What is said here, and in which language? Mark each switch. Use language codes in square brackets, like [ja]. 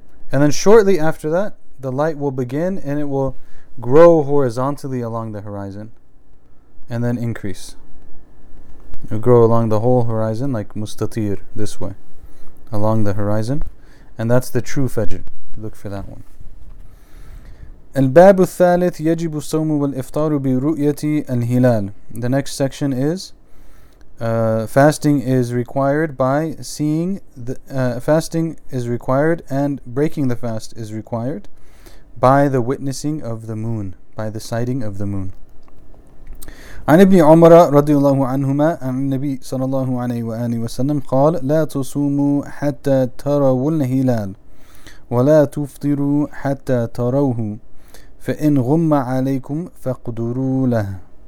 [en] And then shortly after that, the light will begin and it will grow horizontally along the horizon and then increase. It will grow along the whole horizon, like mustatir, this way, along the horizon. And that's the true Fajr. Look for that one. [ar] الباب الثالث يجب الصوم والإفطار برؤية الهلال. [en] The next section is fasting is required by seeing the fasting is required and breaking the fast is required by the witnessing of the moon, by the sighting of the moon. [ar] عن ابن عمر رضي الله عنهما عن النبي صلى الله عليه وآله وسلم قال لا تصوموا حتى تروا الهلال ولا تفطروا حتى تروه فإن غم عليكم فقدروا له.